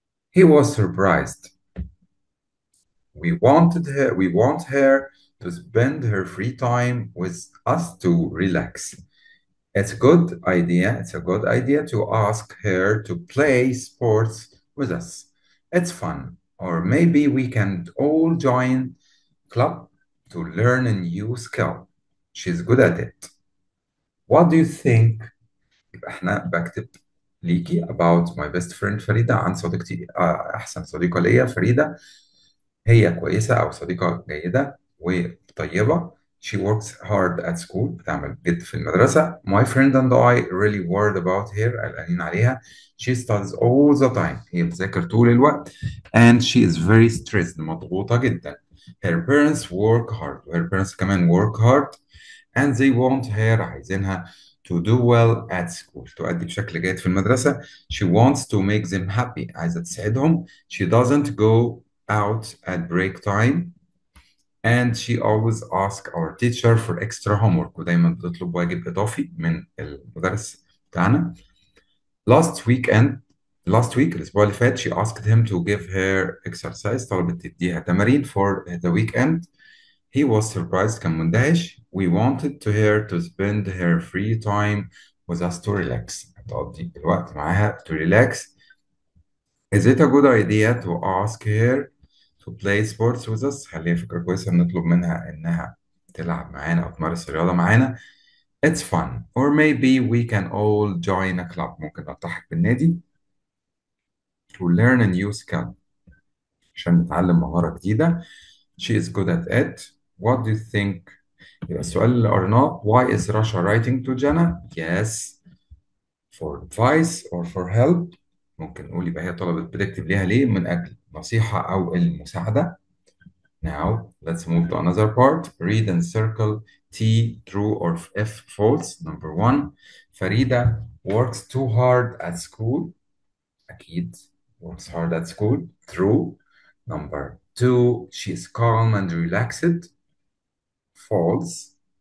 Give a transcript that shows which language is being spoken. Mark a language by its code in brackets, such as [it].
[en] He was surprised. We want her to spend her free time with us to relax. It's a good idea to ask her to play sports with us. It's fun. Or maybe we can all join club to learn a new skill. She's good at it. What do you think? [ar] احنا بكتب ليكي [en] about my best friend [ar] فريدة, عن صديقتي أحسن صديقة ليا فريدة. هي كويسة أو صديقة جيدة وطيبة. [en] She works hard at school, [ar] بتعمل جد في المدرسة. [en] My friend and I really worried about her, [ar] قلقانين عليها. [en] She studies all the time, [ar] هي بتذاكر طول الوقت. [en] And she is very stressed, [ar] مضغوطة جدا. [en] Her parents work hard, her parents كمان work hard. And they want her, [ar] عايزينها [en] to do well at school, [ar] تؤدي بشكل جيد في المدرسة. [en] She wants to make them happy, [ar] عايزة تسعدهم. [en] She doesn't go out at break time. And she always asks our teacher for extra homework, [ar] ودايما بتطلب واجب إضافي من المدرس بتاعنا. [en] Last week, [ar] الأسبوع اللي فات, [en] she asked him to give her exercise, [ar] طلبت تديها تمارين [en] for the weekend. He was surprised, [ar] كان مندهش. [en] We wanted to her to spend her free time with us to relax. [ar] تقضي الوقت معاها [en] to relax. Is it a good idea to ask her to play sports with us? [ar] هل هي فكرة كويسة نطلب منها إنها تلعب معانا أو تمارس الرياضة معانا؟ [en] It's fun. Or maybe we can all join a club. [ar] ممكن نلتحق بالنادي [en] to learn a new skill. [ar] عشان نتعلم مهارة جديدة. [en] She is good at it. What do you think? [ar] السؤال اللي قريناه, [en] why is Russia writing to Jenna? Yes, for advice or for help. [ar] ممكن نقول يبقى هي طلبت بتكتب ليها ليه؟ من أجل نصيحة أو المساعدة. [en] Now let's move to another part. Read and circle T true or F false. Number one, Farida works too hard at school. أكيد works hard at school. True. Number two, she is calm and relaxed. False.